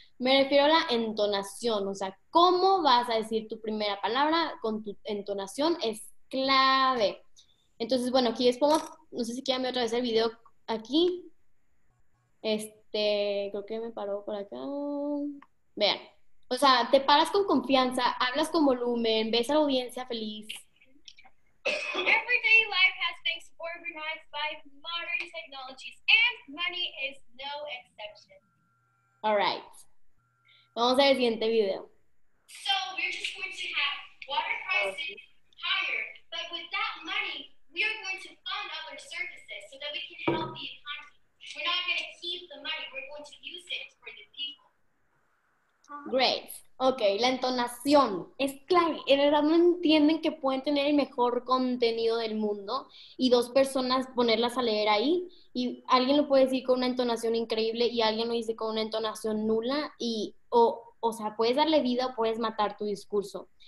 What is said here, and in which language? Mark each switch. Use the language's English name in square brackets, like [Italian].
[Spanish] Me refiero a la entonación, o sea, cómo vas a decir tu primera palabra con tu entonación es clave. Entonces, bueno, aquí les pongo, no sé si quieren ver otra vez el video aquí. Creo que me paró por acá. Vean, o sea, te paras con confianza, hablas con volumen, ves a la audiencia feliz. [English] Everyday life has been organized by modern technologies, and money is no exception. All right. [Spanish] Vamos al siguiente video. [English] So we're just going to have water prices higher, but with that money, we are going to fund other services so that we can help the economy. We're not going to keep the money. We're going to use it for the people. Great. [Spanish] Ok, la entonación es clave. En verdad no entienden que pueden tener el mejor contenido del mundo y dos personas ponerlas a leer ahí y alguien lo puede decir con una entonación increíble y alguien lo dice con una entonación nula y o sea, puedes darle vida o puedes matar tu discurso.